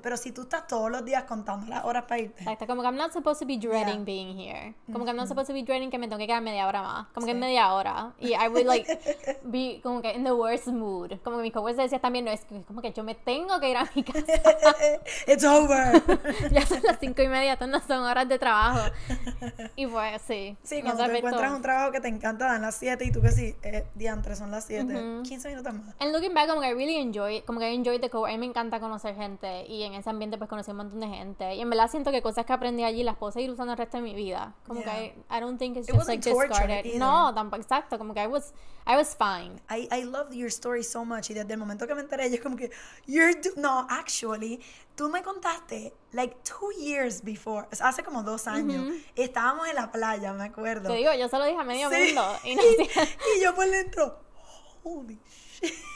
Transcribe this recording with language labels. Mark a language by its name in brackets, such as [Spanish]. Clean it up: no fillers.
[Spanish] Pero si tú estás todos los días contando las horas para irte. Exacto. Como que [English] I'm not supposed to be dreading being here. [Spanish] Como que [English] I'm not supposed to be dreading [Spanish] que me tengo que quedar media hora más. Como que media hora. [English] Y I would like, be [Spanish] como que [English] in the worst mood. [Spanish] Como que mis coworkers decían también, no, es como que yo me tengo que ir a... [English] It's over. [Spanish] Ya son las 5:30, todas son horas de trabajo. Y pues, sí. Sí, cuando te encuentras un trabajo que te encanta, dan las 7 y tú que sí, diantre, son las 7. Mm-hmm. 15 minutos más. [English] And looking back, [Spanish] como que [English] I really enjoy, [Spanish] como que [English] I enjoy the co-work. [Spanish] A mí me encanta conocer gente y en ese ambiente, pues conocí un montón de gente. Y en verdad siento que cosas que aprendí allí las puedo seguir usando el resto de mi vida. Como que [English] I don't think it's just like discarded. [Spanish] No, tampoco, exacto. Como que [English] I was fine. I love your story so much. [Spanish] Y desde el momento que me enteré, yo como que, [English] actually, [Spanish] tú me contaste [English] like 2 years before, [Spanish] o sea, hace como 2 años, mm-hmm. estábamos en la playa, me acuerdo. Te digo, yo solo dije a medio mundo. Y yo por dentro, [English] holy shit.